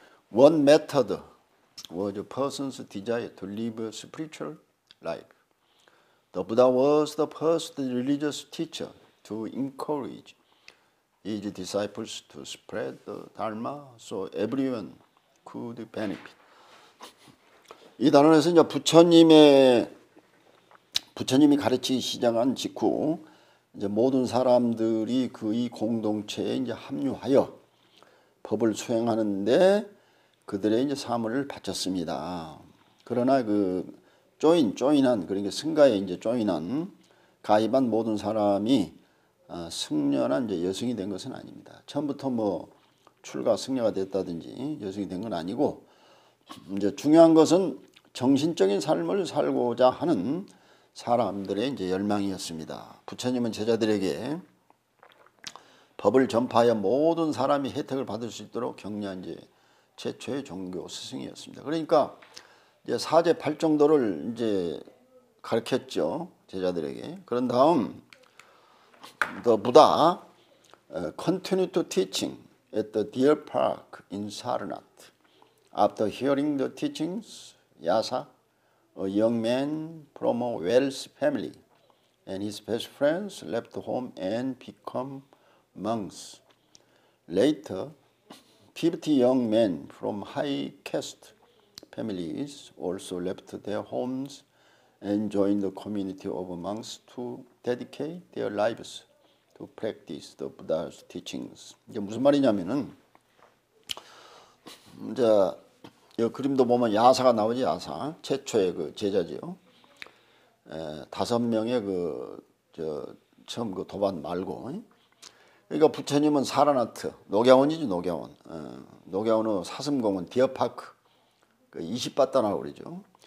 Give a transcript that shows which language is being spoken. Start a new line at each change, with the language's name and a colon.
English: One method was a person's desire to live a spiritual life. The Buddha was the first religious teacher to encourage his disciples to spread the Dharma so everyone could benefit.
Korean: 이 단원에서 이제 부처님이 가르치기 시작한 직후 이제 모든 사람들이 그 이 공동체에 이제 합류하여 법을 수행하는데 그들의 이제 삶을 바쳤습니다. 그러나 그 조인한 그러니까 승가에 이제 조인한 가입한 모든 사람이 승려나 이제 여승이 된 것은 아닙니다. 처음부터 뭐 출가 승려가 됐다든지 여승이 된 건 아니고 이제 중요한 것은 정신적인 삶을 살고자 하는 사람들의 이제 열망이었습니다. 부처님은 제자들에게 법을 전파하여 모든 사람이 혜택을 받을 수 있도록 격려한 이제 최초의 종교 스승이었습니다. 그러니까 이제 사제 팔정도를 이제 가르쳤죠. 제자들에게. 그런 다음
English: The Buddha continued to teaching at the Deer Park in Sarnath after hearing the teachings Yasa, a young man from a wealth family, and his best friends left home and become monks. Later, 50 young men from high caste families also left their homes and joined the community of monks to dedicate their lives to practice the Buddha's teachings.
Korean: 이게 무슨 말이냐면은 이제 이 그림도 보면 야사가 나오지 야사 최초의 그 제자지요. 다섯 명의 그 처음 그 도반 말고 그러니까 부처님은 사라나트 노경원이지 노경원 노경원의 사슴공원 디어파크 그 이십바따나 그러죠.